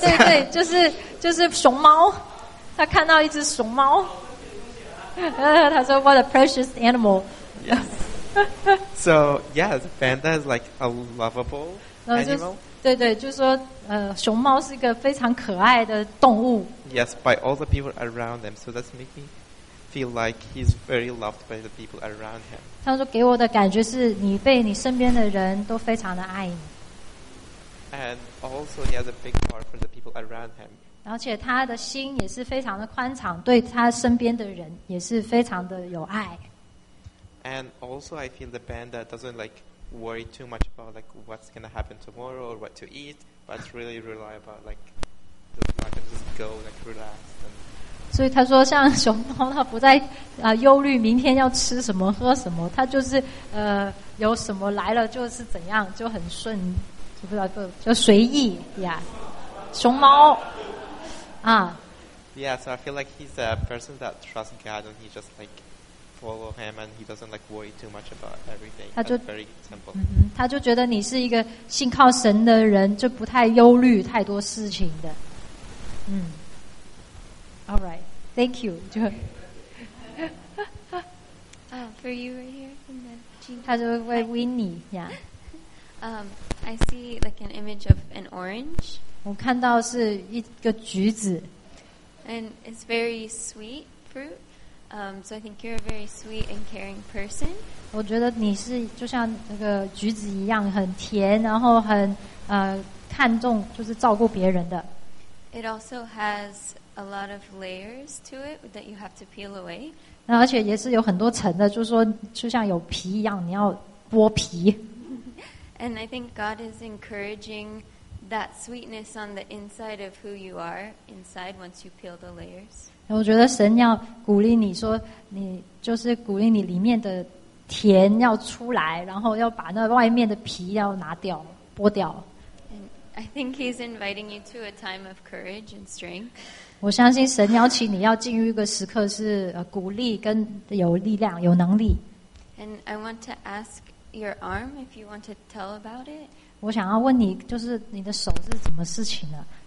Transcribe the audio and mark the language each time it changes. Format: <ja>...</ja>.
<zh>对对，就是熊猫，他看到一只熊猫，他说</zh> <en>What a precious animal. Yes. So yes, panda is like a lovable animal.</en> <zh>对对，就是说熊猫是一个非常可爱的动物。</zh> <en>Yes, by all the people around them. So that's make me feel like he's very loved by the people around him.</en> <zh>他说给我的感觉是你被你身边的人都非常的爱你。</zh> <en>And also, he has a big heart for the people around him.</en> <zh>而且他的心也是非常的宽敞，对他身边的人也是非常的有爱。</zh> <en>And also, I feel the panda doesn't like worry too much about like what's gonna happen tomorrow or what to eat, but really rely about like just go like relax.</en> <zh>所以他说，像熊猫，他不再忧虑明天要吃什么喝什么，他就是有什么来了就是怎样，就很顺。不知道就随意呀、yeah. 熊猫啊、</zh> <en>Yeah, so I feel like he's a person that trusts God and he just like follow him and he doesn't like worry too much about everything.</en> <zh>他就</zh> <en>very simple.</en> <zh>他就觉得你是一个信靠神的人，就不太忧虑太多事情的。</zh> <en>All right. Thank you. Oh, for you right here in the jeans.</en> <zh>他说</zh> <en>，Where Winnie? Yeah. I see like an image of an orange.</en> <zh>我看到是一个橘子。</zh> <en>And it's very sweet fruit. So I think you're a very sweet and caring person.</en> <zh>我觉得你是就像那个橘子一样，很甜，然后很看重就是照顾别人的。</zh> <en>It also has a lot of layers to it that you have to peel away.</en> <zh>那而且也是有很多层的，就是说就像有皮一样，你要剥皮。</zh> <en>And I think God is encouraging that sweetness on the inside of who you are inside once you peel the layers.</en> <zh>我觉得神要鼓励你说，你就是鼓励你里面的甜要出来，然后要把那外面的皮要拿掉，剥掉。</zh> <en>I think he's inviting you to a time of courage and strength.</en> <zh>我相信神邀请你要进入一个时刻是鼓励跟有力量有能力。</zh> <en>And I want to ask your arm if you want to tell about it.</en> <zh>我想要问你就是你的手是怎么事情的。</zh>